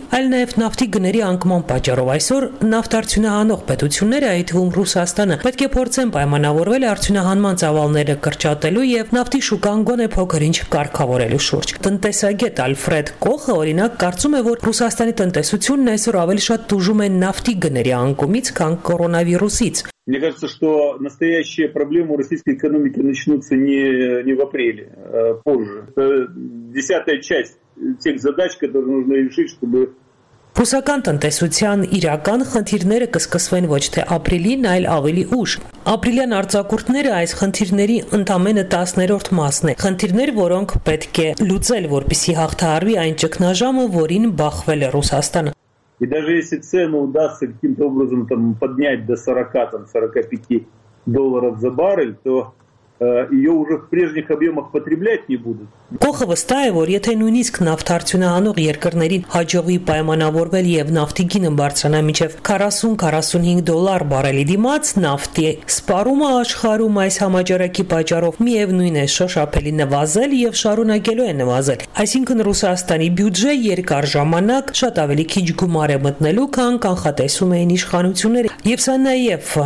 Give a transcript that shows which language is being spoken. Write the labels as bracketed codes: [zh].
[hy] այլ նաև նավթի գների անկման պատճառով։ Այսօր նավթարդյունահանող պետությունները, այդ թվում Ռուսաստանը, պետք է փորձեն պայմանավորվել արդյունահանման ծավալները կրճատելու և նավթի շուկան գոնե փոքրինչ կարգավորելու շուրջ։ Տնտեսագետ Ալֆրեդ Կոխը, օրինակ, կարծում է, որ Ռուսաստանի տնտեսությունն այսօր ավելի շատ տուժում է նավթի գների անկումից, քան կորոնավիրուսից։ [ru] Мне кажется, что настоящие проблемы у российской экономики начнутся не в апреле, а позже. Это десятая часть тех задач, которые нужно решить, чтобы... [hy] Ռուսական տնտեսության իրական խնդիրները կսկսվեն ոչ թե ապրիլին, այլ ավելի ուշ։ Ապրիլյան արձակուրդները այս խնդիրների ընդամենը 10-րդ մասն է, խնդիրներ, որոնք պետք է լուծել, որպեսզի հաղթահարվի այն ճգնաժամը, որին բախվել է Ռուսաստանը։ [ru] И даже если цену удастся каким-то образом там поднять до 40-45 долларов за баррель, то ее уже в прежних объемах потреблять не будут. [hy] Կոխը վստահ է, որ եթե նույնիսկ նավթարդյունահանող երկրներին հաջողվի պայմանավորվել և նավթի գինը բարձրանա մինչև 40-45 դոլար բարելի դիմաց, նավթի սպառումը աշխարհում այս համաճարակի պատճառով միևնույն է շոշափելի նվազել և շարունակելու է նվազել, այսինքն Ռուսաստանի բյուջե երկար ժամանակ շատ ավելի քիչ գումար է մտնելու, քան կանխատեսում էին իշխանությունները, և սա նաև